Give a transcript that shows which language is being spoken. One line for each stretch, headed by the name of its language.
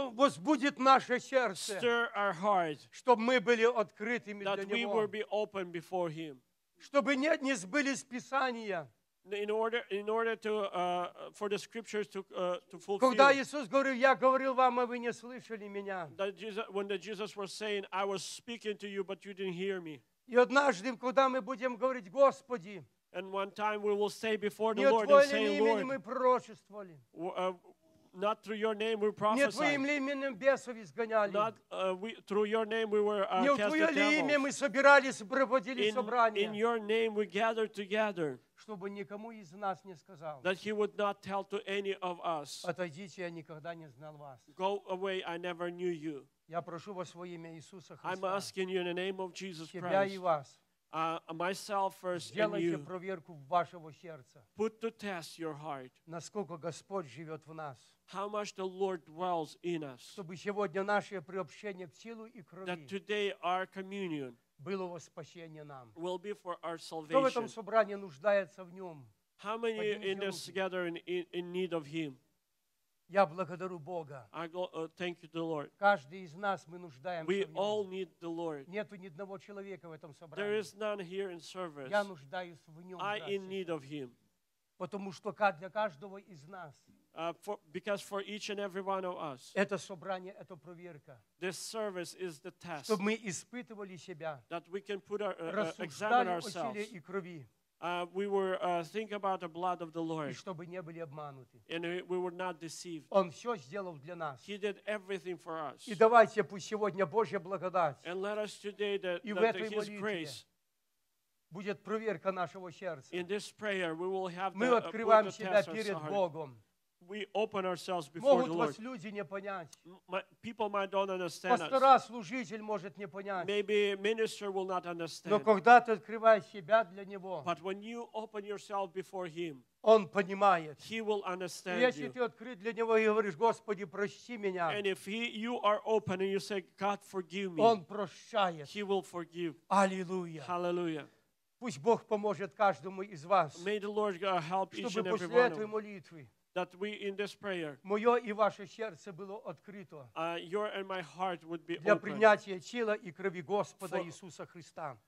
Russian: возбудит наше сердце,
English: stir our heart,
Russian: чтобы мы были открытыми
English: that
Russian: для Него.
English: We will be open before him.
Russian: Чтобы не сбылись Писания.
English: In order for the scriptures to fulfill.
Russian: Когда Иисус говорил, я говорил вам, а вы не слышали меня.
English: When Jesus was saying, I was speaking to you, but you didn't hear me.
Russian: И однажды, когда мы будем говорить, Господи.
English: And one time we will stay before the Lord and say, Lord.
Russian: Мы пророчествовали.
English: Not through your name we prophesied.
Russian: Не твоим ли именем бесов изгоняли?
English: Not through your name we were cast out.
Russian: Не твоим ли именем мы собирались, проводили собрания?
English: In your name we gathered together.
Russian: Чтобы никому из нас не сказал.
English: That he would not tell to any of us.
Russian: Отойдите, я никогда не знал вас.
English: Go away, I never knew you.
Russian: Я прошу вас во имя Иисуса Христа.
English: I'm asking you in the name of Jesus Christ.
Russian: Тебя и вас.
English: Myself first and
Russian: Сделайте
English: you.
Russian: Сделайте проверку вашего сердца.
English: Put to test your heart.
Russian: Насколько Господь живет в нас.
English: How much the Lord dwells in us.
Russian: Чтобы сегодня наше приобщение к телу и крови.
English: That today our communion.
Russian: Было во спасение нам.
English: Will be for our salvation.
Russian: Кто в этом собрании нуждается в нем?
English: How many in this gathering in need of Him?
Russian: Я благодарю Бога.
English: Thank you, the Lord.
Russian: Каждый из нас мы нуждаемся
English: We
Russian: в нем.
English: We all need the Lord.
Russian: Нету ни одного человека в этом собрании.
English: There is none here in service.
Russian: Я нуждаюсь в нем.
English: I in need of Him.
Russian: Потому что как для каждого из нас.
English: Because for each and every one of us,
Russian: это собрание, это проверка,
English: this service is the test.
Russian: Чтобы мы испытывали себя,
English: that we can put our, examine ourselves.
Russian: И крови,
English: we were think about the blood of the Lord.
Russian: И чтобы не были обмануты.
English: And we were not deceived.
Russian: Он все сделал для нас.
English: He did everything for us.
Russian: И давайте пусть сегодня Божья благодать.
English: And let us today that,
Russian: и
English: that
Russian: в этой
English: His grace.
Russian: Будет проверка нашего сердца.
English: In this prayer, we will have
Russian: мы
English: the,
Russian: открываем
English: the
Russian: себя перед Богом.
English: We open ourselves before
Russian: Могут
English: the Lord.
Russian: Вас люди не понять.
English: People might not understand
Russian: Пастора,
English: us.
Russian: Пастора, служитель может не понять.
English: Maybe minister will not understand.
Russian: Но когда ты открываешь себя для Него,
English: But when you open yourself before Him,
Russian: Он понимает.
English: He will understand
Russian: если
English: you.
Russian: Ты открыт для Него и говоришь, Господи, прости меня,
English: and if you are open and you say, God, forgive me,
Russian: Он прощает.
English: He will forgive.
Russian: Аллилуйя.
English: Hallelujah.
Russian: Пусть Бог поможет каждому из вас,
English: May the Lord help
Russian: чтобы
English: each and
Russian: после этой молитвы
English: That we in this prayer,
Russian: мое и ваше сердце было открыто
English: your and my heart would be
Russian: для принятия тела и крови Господа Иисуса Христа.